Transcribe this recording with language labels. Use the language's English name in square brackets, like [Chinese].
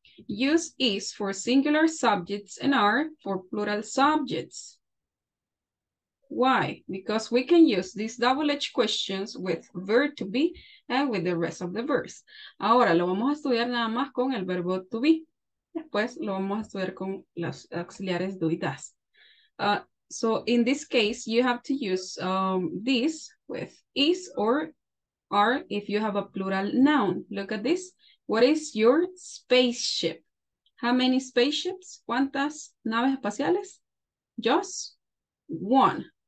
[English] Use is for singular subjects and are for plural subjects. Why? Because we can use these double H questions with verb to be and with the rest of the verbs. [Spanish] Ahora lo vamos a estudiar nada más con el verbo to be. Después lo vamos a estudiar con los auxiliares do y das. [English] So in this case, you have to use this with is or are if you have a plural noun. Look at this. What is your spaceship? How many spaceships? [Spanish] ¿Cuántas naves espaciales? [English] Just one.